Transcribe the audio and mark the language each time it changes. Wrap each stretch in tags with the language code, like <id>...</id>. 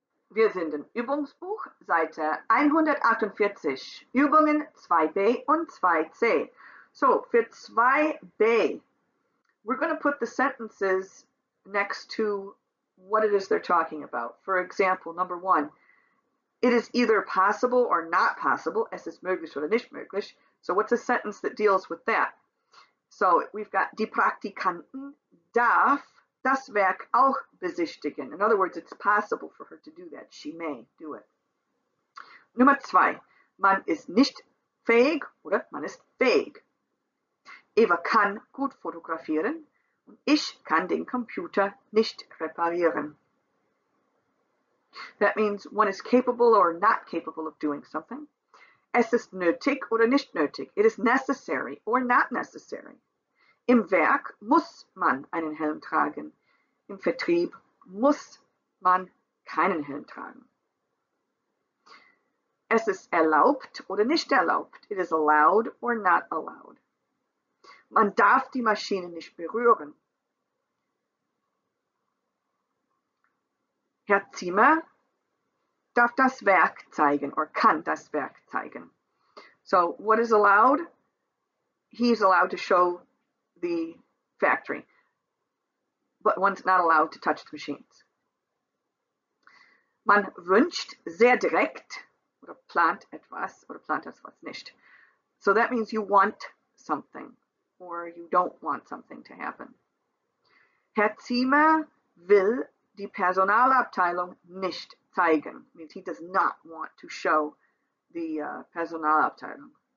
<de>Wir sind im Übungsbuch, Seite 148, Übungen 2b und 2c.</de> <en>So, für 2b, we're going to put the sentences next to what it is they're talking about. For example, number one, it is either possible or not possible,</en> <de>es ist möglich oder nicht möglich.</de> <en>So what's a sentence that deals with that? So we've got,</en> <de>die Praktikanten darf das Werk auch besichtigen.</de> <en>In other words, it's possible for her to do that. She may do it.</en> <de>Nummer zwei. Man ist nicht fähig oder man ist fähig. Eva kann gut fotografieren und ich kann den Computer nicht reparieren.</de> <en>That means one is capable or not capable of doing something.</en> <de>Es ist nötig oder nicht nötig.</de> <en>It is necessary or not necessary.</en> <de>Im Werk muss man einen Helm tragen. Im Vertrieb muss man keinen Helm tragen. Es ist erlaubt oder nicht erlaubt.</de> <en>It is allowed or not allowed.</en> <de>Man darf die Maschine nicht berühren. Herr Zimmer darf das Werk zeigen or kann das Werk zeigen.</de> <en>So what is allowed? He is allowed to show the factory, but one's not allowed to touch the machines.</en> <de>Man wünscht sehr direkt oder plant etwas oder plant etwas nicht.</de> <en>So that means you want something or you don't want something to happen.</en> <de>Herr Zimmer will die Personalabteilung nicht zeigen.</de> <en>Means he does not want to show the Personalabteilung.</en>